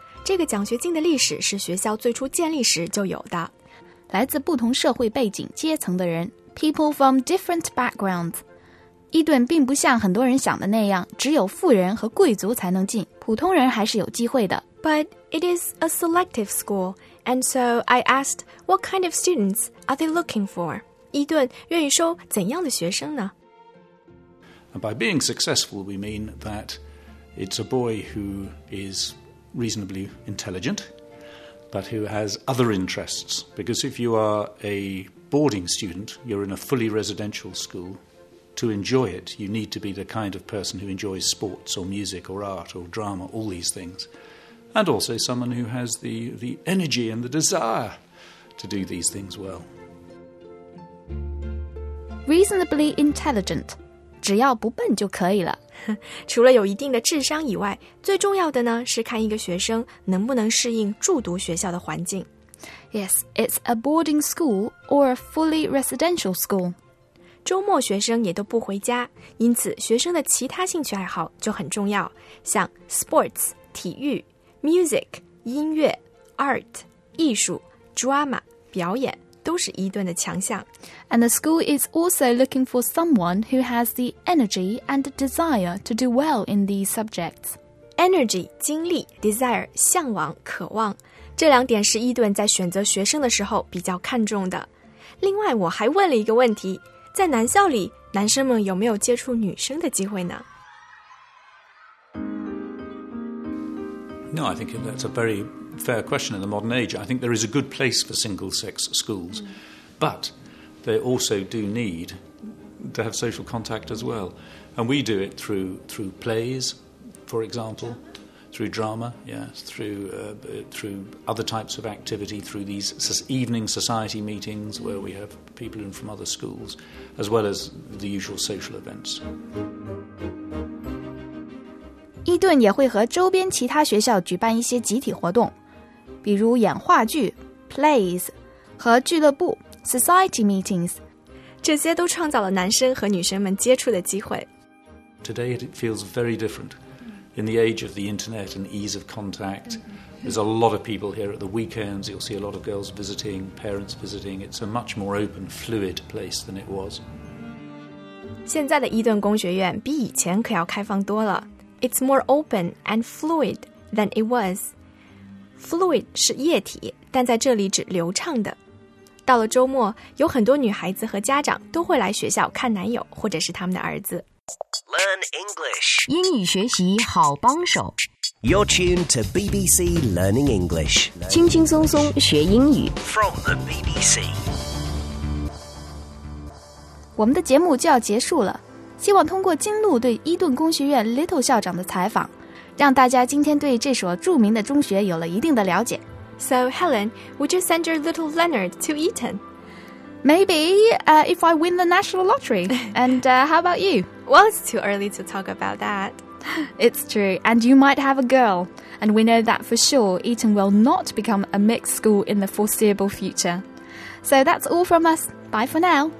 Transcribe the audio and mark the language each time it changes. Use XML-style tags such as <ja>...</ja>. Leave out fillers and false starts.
<zh>这个奖学金的历史是学校最初建立时就有的。来自不同社会背景阶层的人 ，</zh> <en>people from different backgrounds。</en> <zh>伊顿并不像很多人想的那样，只有富人和贵族才能进，普通人还是有机会的。</zh> <en>But it is a selective school, and so I asked, what kind of students are they looking for?</en> <zh>伊顿愿意收怎样的学生呢？</zh> <en>And by being successful, we mean that it's a boy who is reasonably intelligent, but who has other interests. Because if you are a boarding student, you're in a fully residential school. To enjoy it, you need to be the kind of person who enjoys sports or music or art or drama, all these things. And also someone who has the energy and the desire to do these things well. Reasonably intelligent,</en> <zh>只要不笨就可以了。除了有一定的智商以外，最重要的呢，是看一个学生能不能适应住读学校的环境。</zh> <en>Yes, it's a boarding school or a fully residential school.</en> <zh>周末学生也都不回家，因此学生的其他兴趣爱好就很重要，像 sports, 体育 music, 音乐 art, 艺术 drama, 表演。都是伊顿的强项。</zh> <en>And the school is also looking for someone who has the energy and the desire to do well in these subjects.</en> <zh>Energy, 精力 desire, 向往渴望。这两点是伊顿在选择学生的时候比较看重的。另外我还问了一个问题，在男校里男生们有没有接触女生的机会呢？</zh> <en>No, I think that's a very... fair question in the modern age. I think there is a good place for single-sex schools, but they also do need to have social contact as well. And we do it through plays, for example, through drama, yes, through other types of activity, through these evening society meetings where we have people in from other schools, as well as the usual social events. 伊顿也会和周边其他学校举办一些集体活动，比如演话剧 plays 和俱乐部 society meetings，这些都创造了男生和女生们接触的机会。 Today it feels very different. In the age of the internet and ease of contact, there's a lot of people here at the weekends. You'll see a lot of girls visiting, parents visiting. It's a much more open, fluid place than it was.</en> <zh>现在的伊顿工学院比以前可要开放多了。</zh> <en>It's more open and fluid than it was.</en> <zh>Fluid 是液体，但在这里指流畅的。到了周末，有很多女孩子和家长都会来学校看男友或者是他们的儿子。</zh> <en>Learn English.</en> <zh>英语学习好帮手。</zh> <en>You're tuned to BBC Learning English.</en> <zh>轻轻松松学英语。</zh> <en>From the BBC.</en> <zh>我们的节目就要结束了。希望通过金露对伊顿工学院 Little 校长的采访，让大家今天对这所著名的中学有了一定的了解。</zh> <en>So Helen, would you send your little Leonard to Eton? Maybe, if I win the national lottery. And how about you? Well, it's too early to talk about that. It's true, and you might have a girl. And we know that for sure, Eton will not become a mixed school in the foreseeable future. So that's all from us. Bye for now.</en>